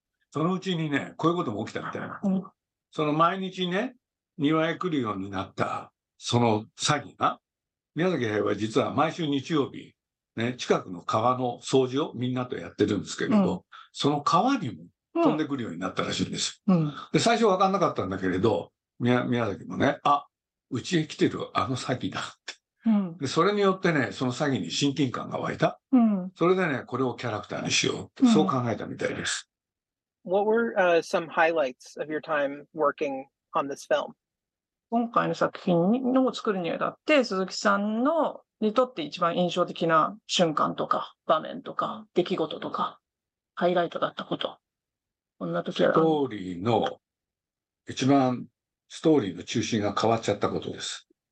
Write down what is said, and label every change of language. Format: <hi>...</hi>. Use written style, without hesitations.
<ja>そのうちにねこういうことも起きたみたいな、その毎日ね庭へ来るようになったその詐欺が、宮崎駿は実は毎週日曜日ね近くの川の掃除をみんなとやってるんですけれど、その川にも飛んでくるようになったらしいんです。で最初分かんなかったんだけれど、宮崎もね、あうちへ来てるあの詐欺だって、でそれによってねその詐欺に親近感が湧いた、それでねこれをキャラクターにしようってそう考えたみたいです。</ja> <en>What were, some highlights of your time working on this film?</en> <ja>今回の作品を作るにあたって鈴木さんのにとって一番印象的な瞬間とか場面とか出来事とかハイライトだったこと、こんな時はストーリーの一番ストーリーの中心が変わっちゃったことです。</ja>